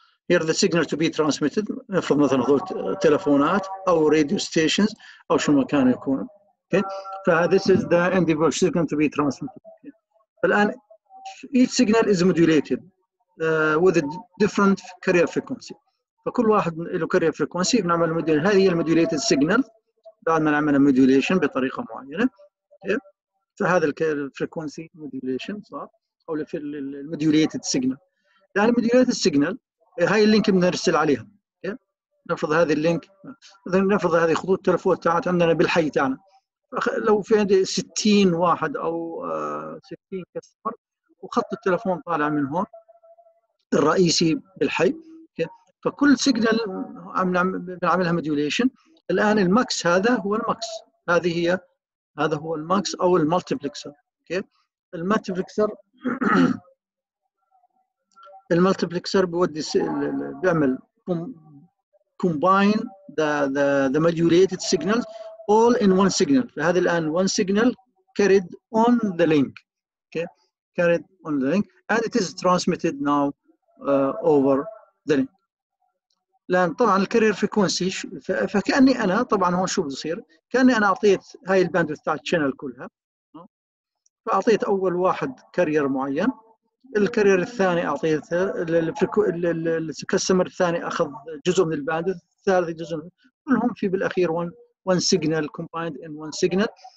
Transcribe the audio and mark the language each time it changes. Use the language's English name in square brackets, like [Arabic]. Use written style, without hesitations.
[English] Here the signal to be transmitted from [Arabic] مثلا تلفونات او [English] radio stations [Arabic] او شو مكان يكون. [English] Okay. This is the individual signal to be transmitted. الان each signal is modulated with a different carrier frequency. [Arabic] فكل واحد له carrier frequency بنعمل modulation. هذه هي modulated signal بعد ما نعمل modulation بطريقة معينة. Okay. فهذا frequency modulation صار أو في modulated signal. يعني modulated signal هاي اللينك بنرسل عليها. Okay. نفرض هذه اللينك نفرض هذه خطوط التلفون تاعت عندنا بالحي تاعنا. لو في عندي 60 واحد أو 60 كاستمر وخط التلفون طالع من هون الرئيسي بالحي. فكل سيجنال بنعملها مديوليشن. الان الماكس هذا هو الماكس. هذه هي هذا هو [English] الماكس او الملتيبلكسر. اوكي الملتيبلكسر الملتيبلكسر [Arabic] بيودي بيعمل [English] Combine the modulated signals all in one signal. [Arabic] فهذا الان [English] One signal carried on the link. Okay carried on the link and it is transmitted now over the link. [Arabic] لان طبعا الكارير فريكونسي فكاني انا طبعا هون شو بصير كاني انا اعطيت هاي الباندويث تاع الشانل كلها فاعطيت اول واحد كارير معين الكارير الثاني اعطيه الكاستمر الثاني اخذ جزء من الباند، الثالث جزء كلهم في بالاخير [English] One signal combined in one signal.